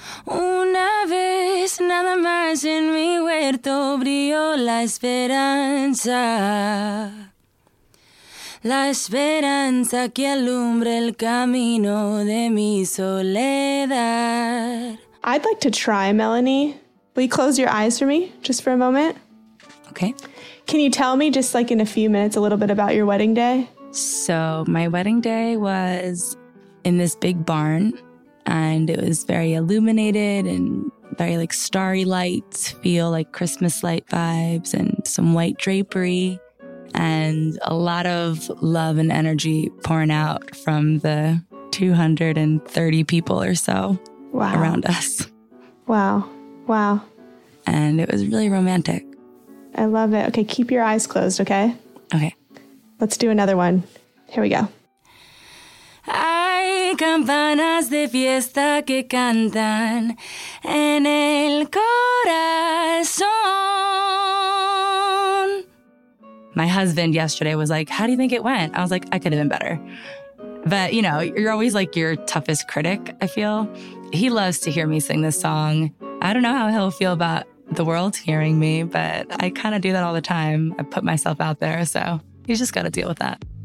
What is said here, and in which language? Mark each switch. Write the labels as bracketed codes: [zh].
[es] Una vez nada más en mi huerto brilló la esperanza. La esperanza que alumbra el camino de mi soledad. [en] I'd like to try, Melanie. Will you close your eyes for me just for a moment? Okay. Can you tell me just like in a few minutes a little bit about your wedding day? So my wedding day was in this big barn, and it was very illuminated and very like starry lights feel, like Christmas light vibes, and some white drapery and a lot of love and energy pouring out from the 230 people or so around us. Wow. And it was really romantic. I love it. Okay, keep your eyes closed, okay? Okay. Let's do another one. Here we go. [es] Hay campanas de fiesta que cantan en el corazón. [en] My husband yesterday was like, how do you think it went? I was like, I could have been better. But, you know, you're always like your toughest critic, I feel. He loves to hear me sing this song. I don't know how he'll feel about the world hearing me, but I kind of do that all the time. I put myself out there, so you just got to deal with that.